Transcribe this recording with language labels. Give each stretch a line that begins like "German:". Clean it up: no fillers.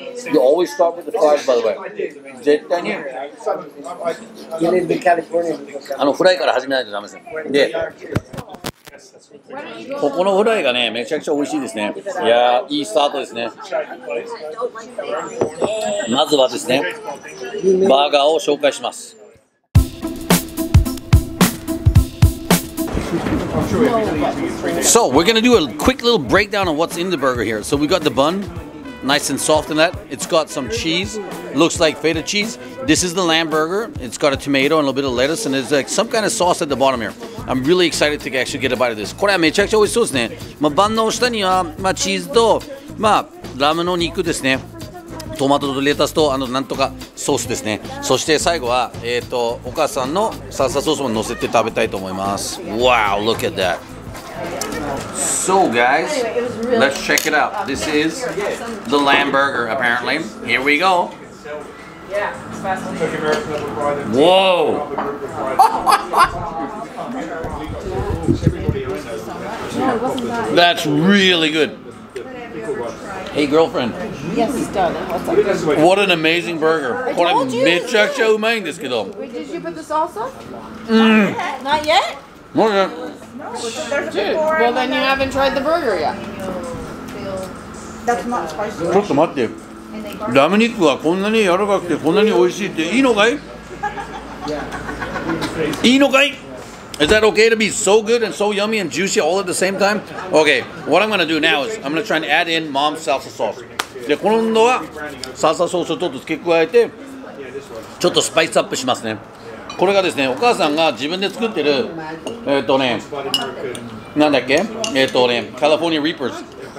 English: You always start with the fries, by the way.
Japanese: 絶対に。フライから始めないとダメですね。で。ここのフライがね、めちゃくちゃ美味しいですね。いやー、いいスタートですね。まずはですね、バーガーを紹介します。
English: So, we're gonna do a quick little breakdown of what's in the burger here. So, we got the bun, nice and soft in that. It's got some cheese, looks like feta cheese. This is the lamb burger. It's got a tomato and a little bit of lettuce, and there's like some kind of sauce at the bottom here. I'm really excited to actually get a bite of this.
Japanese: これはめちゃくちゃ美味しそうですね。まあ、バンの下には、まあ、チーズと、まあ、ラムの肉ですね。トマトとレタスと、あの、なんとかソースですね。そして最後は、お母さんのサルサソースも乗せて食べたいと思います。
English: Wow, look at that. So, guys, let's check it out. This is the lamb burger, apparently. Here we go. Whoa. That's really good. Hey, girlfriend. Yes, darling. What an amazing burger. What a mitchuk show main this kid. Did you put the salsa? Not yet? Not yet. Dude, well, then you haven't tried the burger yet. That's not spicy.
Japanese: ちょっと待って。ラム肉はこんなに柔らかくてこんなに美味しいっていいのかい？いいのかい？
English: Is that okay to be so good and so yummy and juicy all at the same time? Okay, what I'm gonna do now is I'm gonna try and add in mom's salsa sauce.
Japanese: で、今度はサルサソースをちょっと付け加えてちょっとスパイスアップしますね。これがですね、お母さんが自分で作ってるなんだっけ？カリフォルニアリーパーズ。